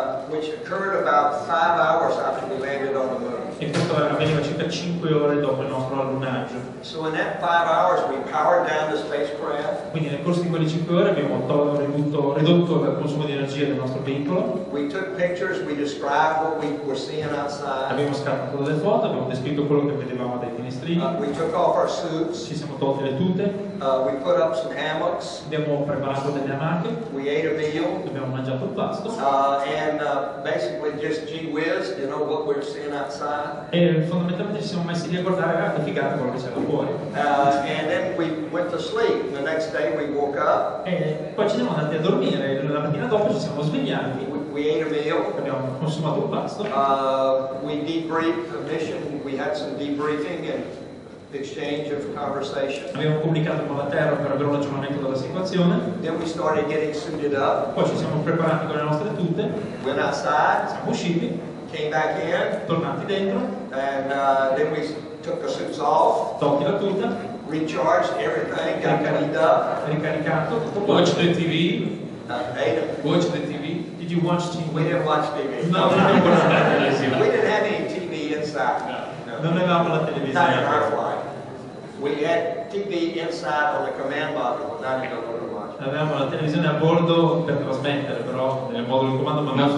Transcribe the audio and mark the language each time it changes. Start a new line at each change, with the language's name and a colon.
English: Which occurred about 5 hours after we landed on the moon.
Italian: E questo avveniva circa 5 ore dopo il nostro allunaggio.
English: So in that 5 hours we powered down the spacecraft.
Italian: Quindi nel corso di quelle 5 ore abbiamo ridotto il consumo di energia del nostro veicolo.
English: We took pictures, we described what we were seeing outside.
Italian: Abbiamo scattato delle foto, abbiamo descritto quello che vedevamo dai finestrini.
English: We took off our suits.
Italian: Ci siamo tolte le tute.
English: We put up some hammocks.
Italian: Abbiamo preparato delle hamache.
English: We ate a meal.
Italian: Abbiamo mangiato un pasto.
English: Basically just gee whiz, you know what we're seeing outside.
Italian: E fondamentalmente ci siamo messi lì a guardare la figata quello che c'era fuori.
English: And then we went to sleep. The next day we woke up.
Italian: E poi ci siamo andati a dormire. La mattina dopo ci siamo svegliati.
English: We ate a meal.
Italian: Abbiamo consumato un pasto.
English: We debriefed the mission. We had some debriefing and exchange of conversation.
Italian: Abbiamo comunicato con la Terra per avere un aggiornamento della situazione.
English: Then we started getting suited up.
Italian: Poi ci siamo preparati con le nostre tute.
English: Went outside.
Italian: Siamo usciti.
English: Came back in,
Italian: tornati dentro,
English: and then we took the suits off,
Italian: tolti la tuta,
English: recharged everything, got cleaned up,
Italian: ricaricato,
English: watched the TV, watched the TV, did you watch TV? We didn't watch TV. No, no, no, no. We didn't have any TV inside. No.
Italian: No. Non avevamo la televisione.
English: Not in our flight. We had TV inside on the command module, but not in the room.
Italian: Avevamo la televisione a bordo per trasmettere, però nel modulo di comando, ma non